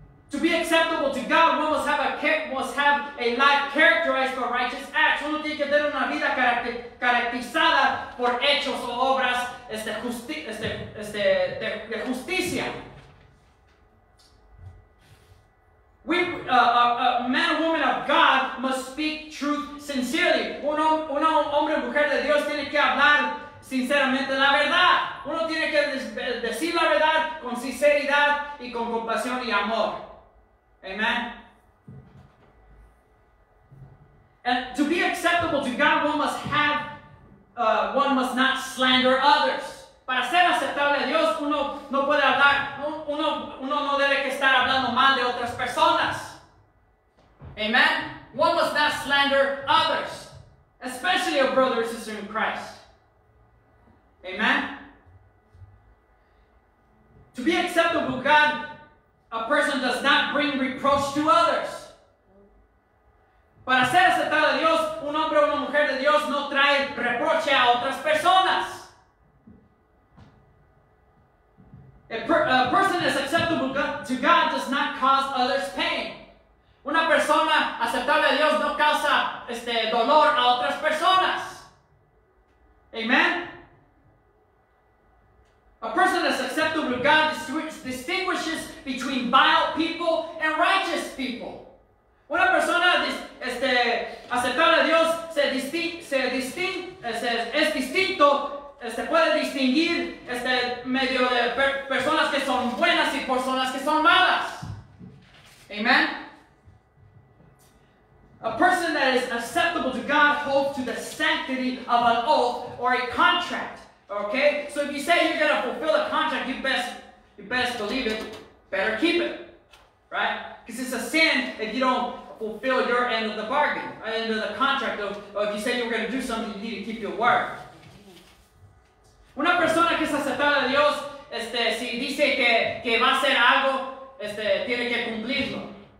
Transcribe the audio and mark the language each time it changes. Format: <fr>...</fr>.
<en>To be acceptable to God, one must have a life characterized by righteous acts.</en> <es>Uno tiene que tener una vida caracterizada por hechos o obras de justicia.</es> <en>A man and woman of God must speak truth sincerely.</en> <es>Un hombre o mujer de Dios tiene que hablar sinceramente la verdad. Uno tiene que decir la verdad con sinceridad y con compasión y amor.</es> <en>Amen. And to be acceptable to God, one must not slander others.</en> <es>Para ser aceptable a Dios, uno no puede hablar, uno no debe que estar hablando mal de otras personas.</es> <en>Amen? One must not slander others, especially a brother or sister in Christ. Amen? To be acceptable to God, a person does not bring reproach to others.</en> <es>Para ser aceptable a Dios, un hombre o una mujer de Dios no trae reproche a otras personas.</es> <en>A person that's acceptable to God does not cause others pain.</en> <es>Una persona aceptable a Dios no causa dolor a otras personas.</es> <en>Amen? A person that's acceptable to God distinguishes between vile people and righteous people.</en> <es>Una persona aceptable a Dios es distinto. Puede distinguir medio de personas que son buenas y personas que son malas.</es> <en>Amen? A person that is acceptable to God holds to the sanctity of an oath or a contract. Okay? So if you say you're going to fulfill a contract, you best believe it. Better keep it. Right? Because it's a sin if you don't fulfill your end of the bargain, end of the contract of, if you said you were going to do something, you need to keep your word.</en> <es>Una persona que es aceptada a Dios, si dice que va a hacer algo, tiene que cumplirlo.</es>